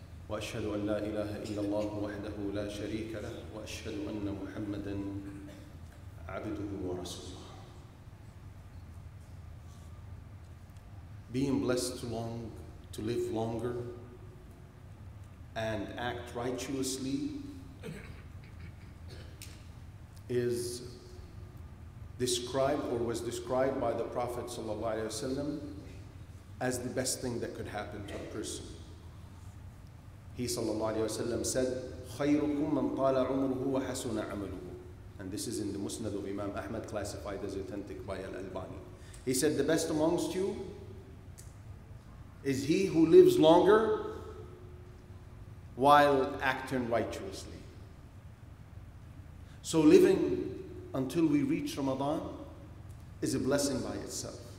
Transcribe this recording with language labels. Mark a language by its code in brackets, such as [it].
[ar] وأشهد أن لا إله إلا الله وحده لا شريك له وأشهد أن محمدًا عبده ورسوله. [en] Being blessed to live longer and act righteously is described or was described by the Prophet ﷺ as the best thing that could happen to a person. He ﷺ said, [ar] خَيْرُكُمْ مَنْ طَالَ عُمُرُهُ وَحَسُنَ عَمَلُهُ. [en] And this is in the Musnad of Imam Ahmad, classified as authentic by Al-Albani. He said, the best amongst you is he who lives longer while acting righteously. So living until we reach Ramadan is a blessing by itself.